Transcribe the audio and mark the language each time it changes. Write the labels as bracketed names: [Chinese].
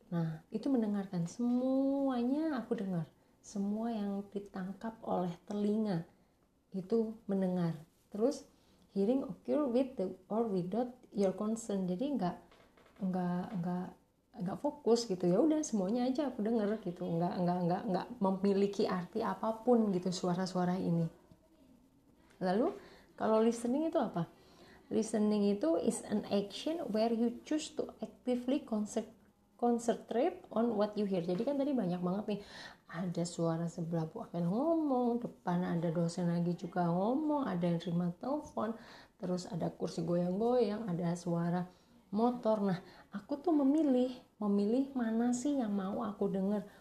[Indonesian] Nah, itu mendengarkan, semuanya aku dengar, semua yang ditangkap oleh telinga itu mendengar. Terus [English] hearing occur with the or without your consent, [Indonesian] jadi enggak nggak fokus gitu, ya udah semuanya aja aku denger gitu, nggak memiliki arti apapun gitu suara-suara ini. Lalu kalau listening itu apa? [English] Listening itu is an action where you choose to actively concentrate on what you hear. [Indonesian] Jadi kan tadi banyak banget nih, ada suara sebelah bukan ngomong, depan ada dosen lagi juga ngomong, ada yang terima telepon, terus ada kursi goyang-goyang, ada suara motor. Nah, aku tuh memilih mana sih yang mau aku dengar.